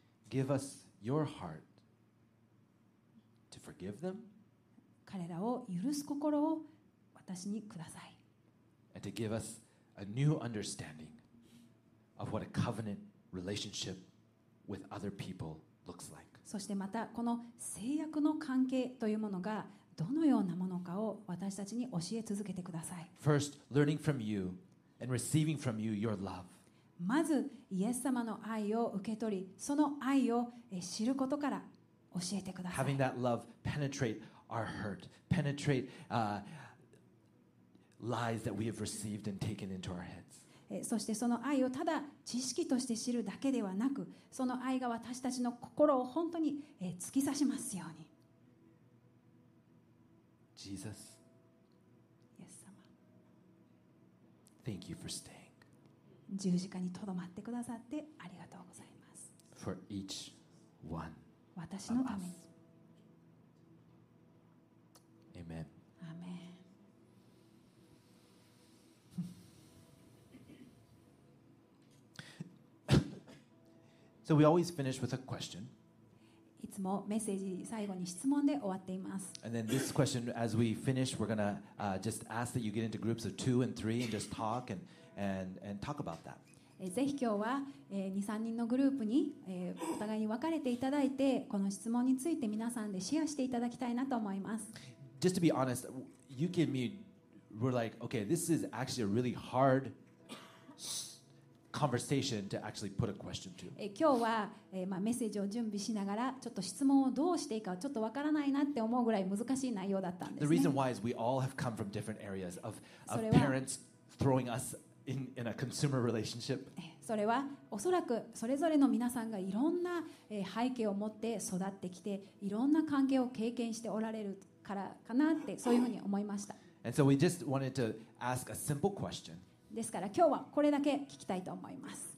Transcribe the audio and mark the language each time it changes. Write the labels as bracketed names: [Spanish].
[English] Give us your heart to forgive them. [Japanese] 彼らを許す心を私にください。 [English] And to give us a new understandingof what a covenant relationship with other people looks like. [Japanese] そしてまたこの契約の関係というものがどのようなものかを私たちに教え続けてください。 [English] First, learning from you and receiving from you your love. [Japanese] まずイエス様の愛を受け取り、その愛を知ることから教えてください。 [English] Having that love penetrate our hurt, penetrate lies that we have received and taken into our heads. [Japanese] そしてその愛をただ知識として知るだけではなく、その愛が私たちの心を本当に突き刺しますように。 [English] Jesus, [Japanese] yes, 様。 [English] Thank you for staying. [Japanese] 十字架にとどまってくださってありがとうございます。 [English] For each one of us. [Japanese] 私のために。 [English] Amen. Amen. So we always finish with a question. [Japanese] いつもメッセージ最後に質問で終わっています。 [English] And then this question, as we finish, we're gonna just ask that you get into groups of two and three and just talk and talk about that. [Japanese] ぜひ今日は二三人のグループにお互いに分かれていただいて、この質問について皆さんでシェアしていただきたいなと思います。 [English] Just to be honest, you and me were like, okay, this is actually a really hard. Conversation to actually put a question to. [Japanese] 今日は、まあ、メッセージを準備しながらちょっと質問をどうしていいかちょっとわからないなって思うぐらい難しい内容だったんですね。 [English] The reason why is we all have come from different areas of parents throwing us in a consumer relationship. [Japanese] それはおそらくそれぞれの皆さんがいろんな背景を持って育ってきていろんな関係を経験しておられるからかなってそういうふうに思いました。 [English] And so we just wanted to ask a simple question. [Japanese] ですから今日はこれだけ聞きたいと思います。